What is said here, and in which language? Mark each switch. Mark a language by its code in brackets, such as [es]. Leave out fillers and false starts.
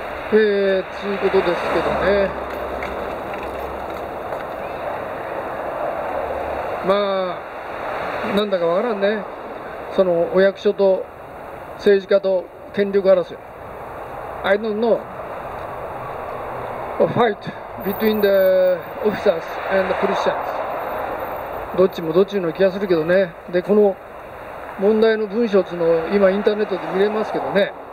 [ja] ということですけどね、まあなんだかわからんね。そのお役所と政治家と権力争い。 [en] I don't know. A fight between the officers and the politicians. [ja] どっちもどっちの気がするけどね。で、この問題の文章っていうのを今インターネットで見れますけどね。